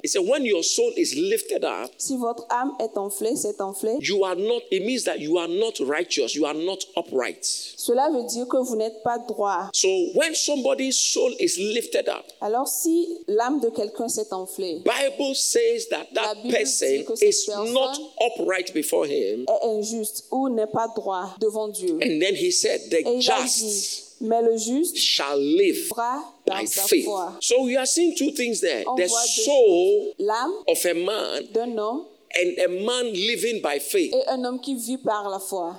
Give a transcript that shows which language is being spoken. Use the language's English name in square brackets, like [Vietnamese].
[English] it says when your soul is lifted up. [French] Si votre âme est enflé, c'est enflé. [English] You are not, it means that you are not righteous. You are not upright. [French] Cela veut dire que vous n'êtes pas droit. [English] So when somebody's soul is lifted up. [French] Alors si l'âme de quelqu'un s'est enflée, [English] Bible says that that person is not upright before him. [French] Est injuste ou n'est pas droit devant Dieu. [English] And then he said the just [French] dit, mais le juste [English] shall live [French] vivra [English] by faith. [French] Foi. [English] So you are seeing two things there. [French] On [English] the soul l'âme of a man [French] d'un homme [English] and a man living by faith. [French] Et un homme qui vit par la foi.